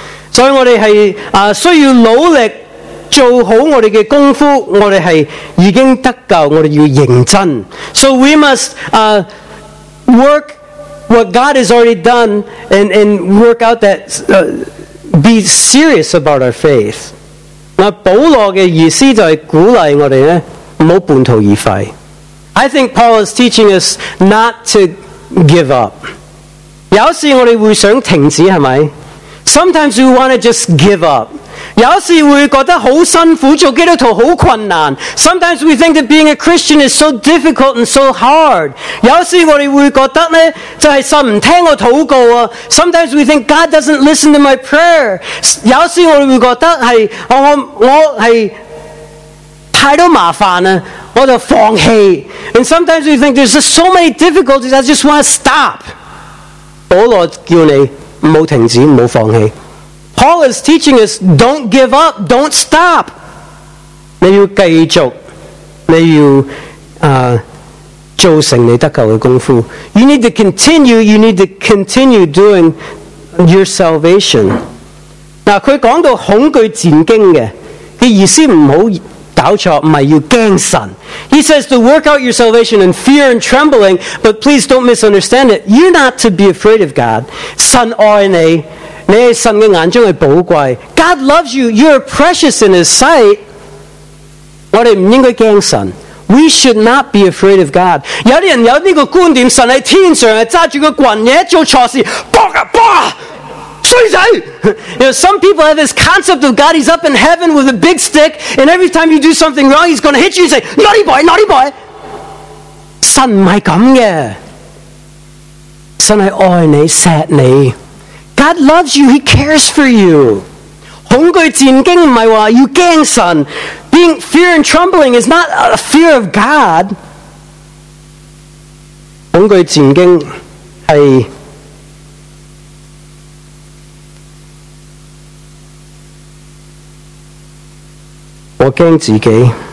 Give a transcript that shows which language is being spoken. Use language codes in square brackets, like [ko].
[zh] 所以我们是需要努力做好我们的功夫，我们是已经得救，我们要认真。 [en] So we must work what God has already done and work out that, be serious about our faith. [zh] 那保罗的意思就是鼓励我们呢，不要半途而废。 [en] I think Paul is teaching us not to give up. [zh] 有时我们会想停止，是不是？ [en] Sometimes we want to just give up. [zh] 有时会觉得好辛苦，做基督徒好困难。 [en] Sometimes we think that being a Christian is so difficult and so hard. [zh] 有时我们会觉得呢，就是神不听我祷告啊。 [en] Sometimes we think God doesn't listen to my prayer. [zh] 有时我们会觉得是我是太多麻烦啊，我就放弃。 [en] And sometimes we think there's just so many difficulties, I just want to stop. [zh] 保罗叫你不要停止，不要放弃。 [en] Paul is teaching us, don't give up, don't stop. [zh] 你要继续，你要做成你得救的功夫。 [en] You need to continue, you need to continue doing your salvation. [zh] 那他讲到恐惧战惊的，他意思不好搞错，不是要惊神。 [en] He says to work out your salvation in fear and trembling, but please don't misunderstand it. You're not to be afraid of God. [zh] 神爱你，你在神的眼中是宝贵。 [en] God loves you. You're precious in His sight. [zh] 我们不应该惊神。 [en] We should not be afraid of God. [zh] 有些人有这个观点，神在天上拿着个棍子做错事，砰啊砰，吹死。 [en] You know, some people have this concept of God. He's up in heaven with a big stick, and every time you do something wrong, He's going to hit you and say, "Naughty boy, naughty boy." [zh] 神不是这样的。神是爱你，锡你。 [en] God loves you, He cares for you. [zh] 恐惧战惊不是说要惊神。 [en] Being fear and trembling is not a fear of God. [zh] 恐惧战惊是我惊自己。